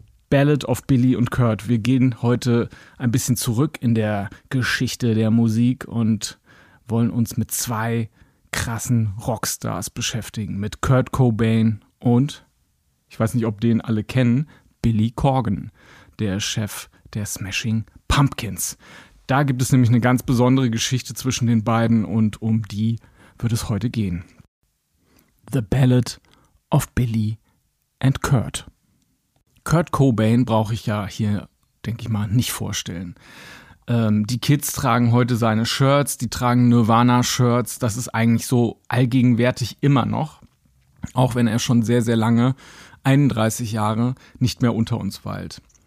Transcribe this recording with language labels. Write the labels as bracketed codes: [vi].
[de] Ballad of Billy und Kurt. Wir gehen heute ein bisschen zurück in der Geschichte der Musik und wollen uns mit zwei krassen Rockstars beschäftigen. Mit Kurt Cobain und, ich weiß nicht, ob den alle kennen, Billy Corgan, der Chef der Smashing Pumpkins. Da gibt es nämlich eine ganz besondere Geschichte zwischen den beiden und um die wird es heute gehen. [en] The Ballad of Billy and Kurt. [de] Kurt Cobain brauche ich ja hier, denke ich mal, nicht vorstellen. Die Kids tragen heute seine Shirts, die tragen Nirvana-Shirts, das ist eigentlich so allgegenwärtig immer noch, auch wenn er schon sehr, sehr lange, 31 Jahre, nicht mehr unter uns weilt.